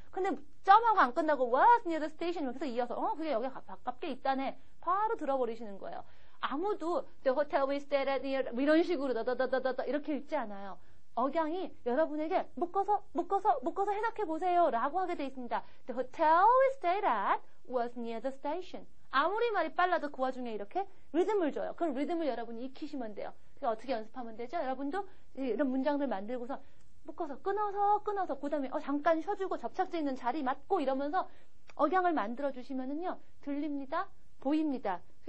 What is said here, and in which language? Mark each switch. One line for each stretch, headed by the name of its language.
Korean: 근데 점하고 안 끝나고
English: was near the station.
Korean: 그래서 이어서 그게 여기 가깝게 있다네. 바로 들어버리시는 거예요. 아무도
English: the hotel we stayed at near
Korean: 이런 식으로 다다다다다 이렇게 읽지 않아요. 억양이 여러분에게 묶어서 해석해 보세요라고 하게 돼 있습니다.
English: The hotel we stayed at was near the station.
Korean: 아무리 말이 빨라도 그 와중에 이렇게 리듬을 줘요. 그 리듬을 여러분이 익히시면 돼요. 그러니까 어떻게 연습하면 되죠? 여러분도 이런 문장들 만들고서 묶어서 끊어서 그다음에 잠깐 쉬어주고 접착제 있는 자리 맞고 이러면서 억양을 만들어 주시면은요 들립니다. 보입니다.